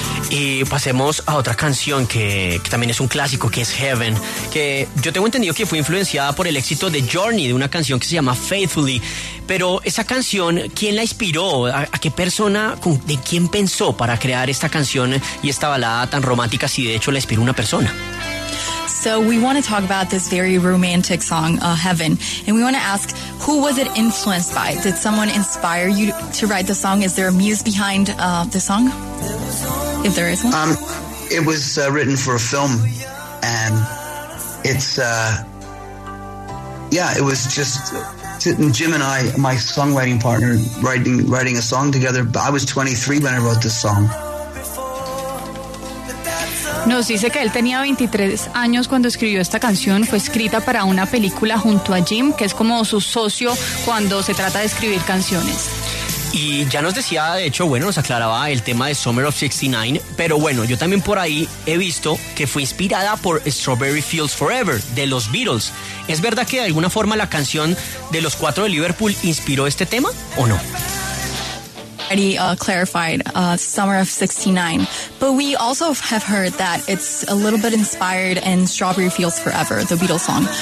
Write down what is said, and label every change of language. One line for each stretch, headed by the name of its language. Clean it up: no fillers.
Spanish: Y pasemos a otra canción que también es un clásico, que es Heaven, que yo tengo entendido que fue influenciada por el éxito de Journey, de una canción que se llama Faithfully. Pero esa canción, ¿quién la inspiró? ¿A qué persona, de quién pensó para crear esta canción y esta balada tan romántica, si de hecho la inspiró una persona?
English: So we want to talk about this very romantic song, Heaven, and we want to ask, who was it influenced by? Did someone inspire you to write the song? Is there a muse behind the song? If there is one? It was written for a film, and it's, it was just Jim and I, my songwriting partner, writing a song together. I was 23 when I wrote this song.
Spanish: Nos dice que él tenía 23 años cuando escribió esta canción. Fue escrita para una película junto a Jim, que es como su socio cuando se trata de escribir canciones. Y ya nos decía, de hecho, bueno, nos aclaraba el tema de Summer of 69, pero bueno, yo también por ahí he visto que fue inspirada por Strawberry Fields Forever, de los Beatles. ¿Es verdad que de alguna forma la canción de los cuatro de Liverpool inspiró este tema o no?
English: Already clarified Summer of 69, but we also have heard that it's a little bit inspired in Strawberry Fields Forever, the Beatles song.